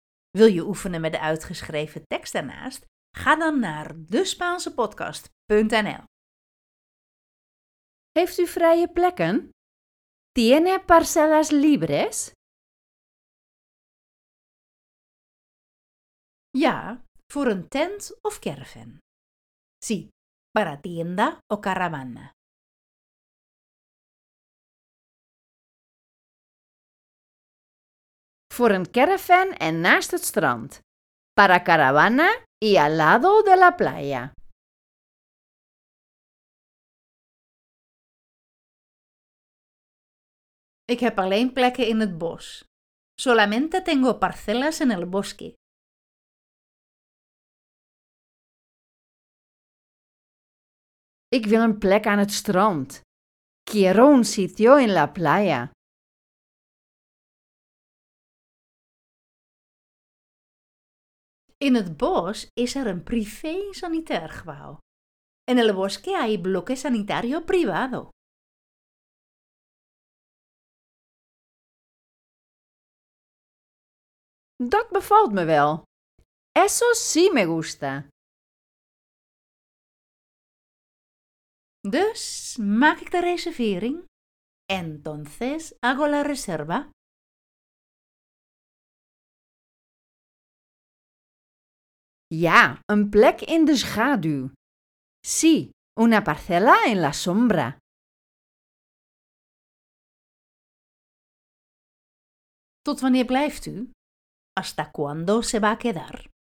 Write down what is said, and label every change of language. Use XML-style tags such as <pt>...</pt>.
<nl>Wil je oefenen met de uitgeschreven tekst daarnaast? Ga dan naar despaansepodcast.nl. Heeft u vrije plekken?</nl> <es>¿Tiene parcelas libres?</es> <nl>Ja, voor een tent of caravan.</nl> <es>Sí, para tienda o caravana.</es> <nl>voor een caravan en naast het strand.</nl> <es>Para caravana y al lado de la playa.</es> <nl>Ik heb alleen plekken in het bos.</nl> <es>Solamente tengo parcelas en el bosque.</es> <nl>Ik wil een plek aan het strand.</nl> <es>Quiero un sitio en la playa.</es> <nl>In het bos is er een privé sanitair gebouw.</nl> <es>En el bosque hay bloque sanitario privado.</es> <nl>Dat bevalt me wel.</nl> <es>Eso sí me gusta.</es> <nl>Dus maak ik de reservering.</nl> <es>Entonces hago la reserva.</es> <nl>Ja, een plek in de schaduw.</nl> <es>Sí, una parcela en la sombra.</es> <nl>Tot wanneer blijft u?</nl> <es>¿Hasta cuándo se va a quedar?</es>